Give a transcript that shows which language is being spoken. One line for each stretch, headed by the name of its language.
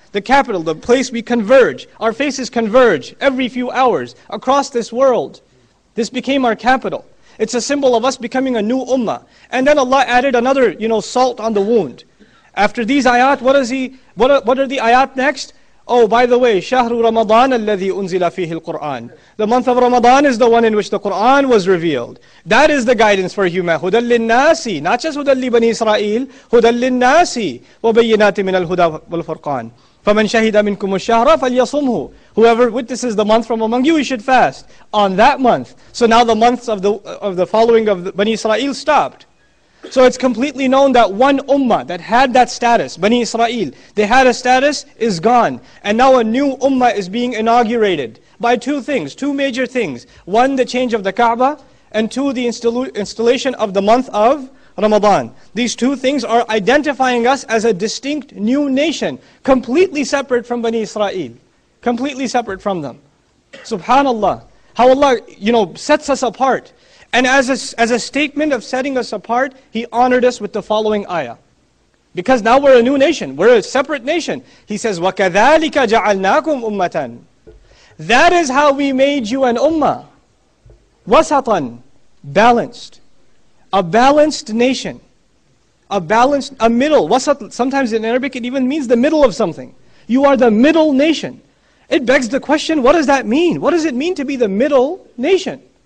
English: The capital, the place we converge, our faces converge every few hours across this world. This became our capital. It's a symbol of us becoming a new ummah. And then Allah added another, you know, salt on the wound. After these ayat, what are the ayat next? Oh, by the way,
Arabic: شهر رمضان الذي أنزل فيه القرآن.
English: The month of Ramadan is the one in which the Quran was revealed. That is the guidance for humanity.
Arabic: هُدَى لِلنَّاسِ.
English: Not just
Arabic: هُدَى لِبَنِي إِسْرَائِيلَ. هُدَى لِلنَّاسِ وَبَيِّنَاتٍ مِنَ الْهُدَى وَالْفُرْقَانِ. فَمَنْ شَهِدَ مِنْكُمُ الشَّهْرَ فَلْيَصُمْهُ.
English: Whoever witnesses the month from among you, he should fast on that month. So now the months of the following of Bani Israel stopped. So it's completely known that one ummah that had that status, Bani Israel, they had a status, is gone. And now a new ummah is being inaugurated by two things, two major things. One, the change of the Kaaba, and two, the installation of the month of Ramadan. These two things are identifying us as a distinct new nation, completely separate from Bani Israel, completely separate from them. Subhanallah, how Allah, you know, sets us apart. And as a statement of setting us apart, He honored us with the following ayah. Because now we're a new nation, we're a separate nation. He says,
Arabic: وَكَذَلِكَ جَعَلْنَاكُمْ أُمَّةً.
English: That is how we made you an ummah. وَسَطًا. Balanced. A balanced nation. A middle. Wasat, sometimes in Arabic it even means the middle of something. You are the middle nation. It begs the question, what does that mean? What does it mean to be the middle nation?